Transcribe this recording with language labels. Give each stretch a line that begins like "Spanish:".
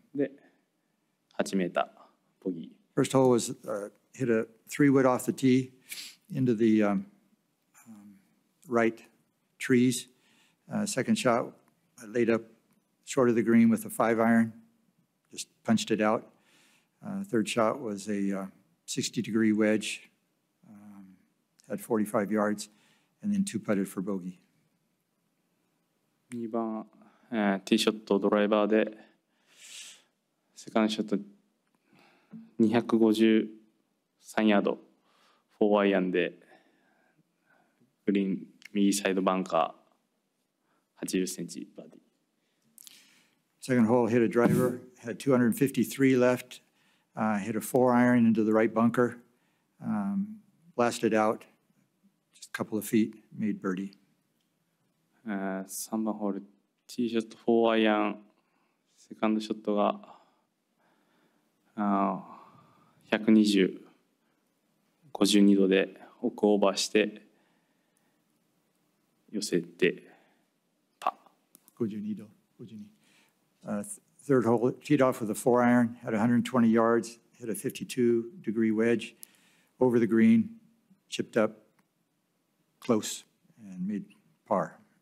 Japanese: 林の中からだったね、ファイブアイアンで刻んで、45ヤード、60度のエッジで、65、60度、60度で8メーターボギー。
English: First hole was hit a 3 wood off the tee into the right trees. Second shot, I laid up short of the green with a 5 iron, just punched it out. Third shot was a 60-degree wedge, had 45 yards, and then 2 putted for bogey.
Japanese: 2番, ティー ショット ドライバーで, セカンド ショット 253 ヤード, 4 アイアンで, グリーン, 右 サイド バンカー, 80 センチ バーディー.
English: Second hole, hit a driver, had 253 left, hit a 4 iron into the right bunker, blasted out just a couple of feet, made birdie.
Japanese: 3番 ホール、 ティー ショット 4 アイアン、 セカンド ショットが 120 52度で 奥 オーバーして 寄せて パー
English: 52度 third hole, teed off with a 4 iron, had 120 yards, hit a 52-degree wedge over the green, chipped up close, and made par.